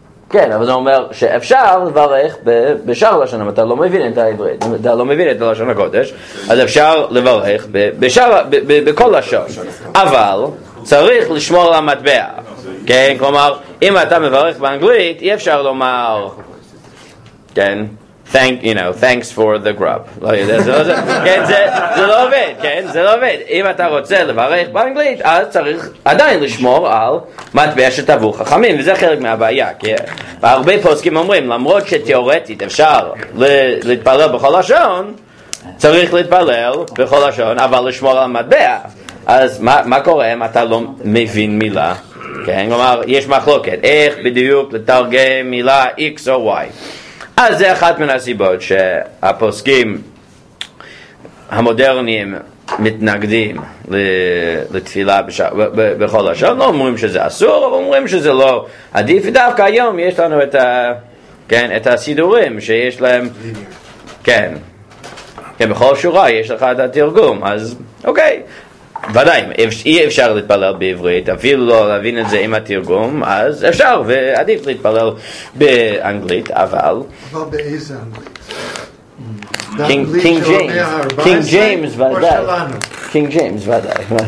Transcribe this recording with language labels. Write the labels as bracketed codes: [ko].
[he] כן, אבל זה אומר שאפשר לברך בשאר לשון, אם אתה לא מבין את העברית, אם אתה לא מבין את לשון הקודש, אז אפשר לברך בשאר בכל לשון. אבל צריך לשמור על המטבע. כן, כלומר, אם אתה מברך באנגלית, אי אפשר לומר, כן. [en] Thank you know thanks for the grub. [he] לא יודע, זה לא עובד. אם אתה רוצה לברך באנגלית, אז צריך עדיין לשמור על מטבע שטבעו חכמים, וזה חלק מהבעיה. כי הרבה פוסקים אומרים, למרות שתיאורטית אפשר להתפלל בכל לשון, צריך להתפלל בכל לשון, אבל לשמור על מטבע. אז מה קורה אם אתה לא מבין מילה? כן, כלומר, יש מחלוקת איך בדיוק לתרגם מילה X או Y. אז זה אחת מן הסיבות שהפוסקים המודרניים מתנגדים לתפילה בכל לשון. לא אומרים שזה אסור, אבל אומרים שזה לא עדיף. דווקא היום יש לנו את, כן, את הסידורים שיש להם, כן, כן, בכל שורה יש לך את התרגום. אז אוקיי, ודאי, אי אפשר להתפלל בעברית, אפילו לא להבין את זה עם התרגום, אז אפשר, ועדיף להתפלל באנגלית, אבל... אבל באיזה אנגלית? King James, King James, ודאי. King James, ודאי.